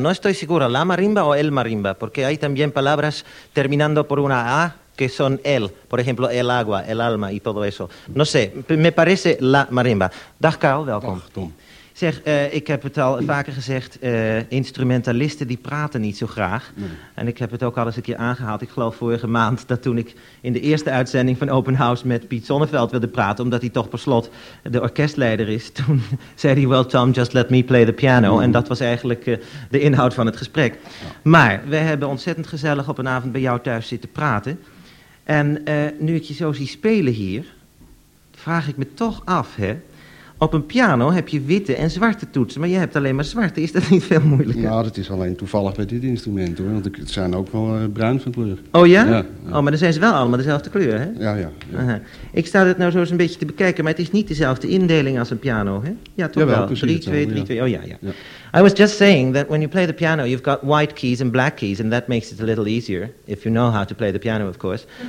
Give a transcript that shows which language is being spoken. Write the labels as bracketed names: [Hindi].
[Spanish] No estoy seguro, la marimba o el marimba, porque hay también palabras terminando por una A que son el. Por ejemplo, el agua, el alma y todo eso. No sé, me parece la marimba. [Dutch] Dag Carl, welkom. Dag Tom. Zeg, ik heb het al vaker gezegd, instrumentalisten die praten niet zo graag. Nee. En ik heb het ook al eens een keer aangehaald. Ik geloof vorige maand dat toen ik in de eerste uitzending van Open House met Piet Sonneveld wilde praten, omdat hij toch per slot de orkestleider is, toen zei hij, [English] well Tom, just let me play the piano. [Dutch] Mm. En dat was eigenlijk de inhoud van het gesprek. Ja. Maar we hebben ontzettend gezellig op een avond bij jou thuis zitten praten. En nu ik je zo zie spelen hier, vraag ik me toch af, hè. Op een piano heb je witte en zwarte toetsen, maar je hebt alleen maar zwarte. Is dat niet veel moeilijker? Nou, dat is alleen toevallig bij dit instrument, hoor. Want het zijn ook wel bruin van kleur. Oh ja? Ja? Oh, maar dan zijn ze wel allemaal dezelfde kleur, hè? Ja, ja. Ja. Ik sta dit nou zo eens een beetje te bekijken, maar het is niet dezelfde indeling als een piano, hè? Ja, toch jawel, wel. Precies, 3, 2, 3, 2, oh ja, ja, ja. [English] I was just saying that when you play the piano, you've got white keys and black keys, and that makes it a little easier, if you know how to play the piano, of course.